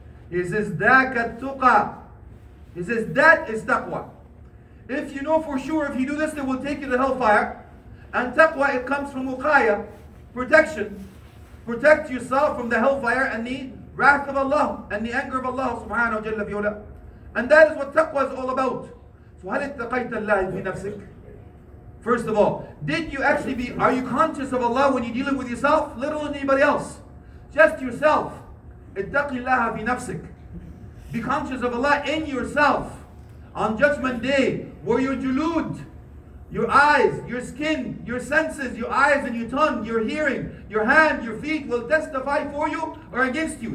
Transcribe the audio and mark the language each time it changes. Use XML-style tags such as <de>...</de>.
<en>He says,</en> <ar>ذَاكَ التُقَى</ar> <en>He says, that is taqwa. If you know for sure, if you do this, they will take you to hellfire. And taqwa, it comes from wuqaya, protection. Protect yourself from the hellfire and the wrath of Allah and the anger of Allah subhanahu wa jalla bi ula. And that is what taqwa is all about. So</en> <ar>هل اتقيت الله في نفسك?</ar> <en>First of all, are you conscious of Allah when you're dealing with yourself? Little than anybody else. Just yourself.</en> <ar>اتقي الله في نفسك.</ar> <en>Be conscious of Allah in yourself. On judgment day, where your julud, your eyes, your skin, your senses, your eyes and your tongue, your hearing, your hand, your feet will testify for you or against you.</en>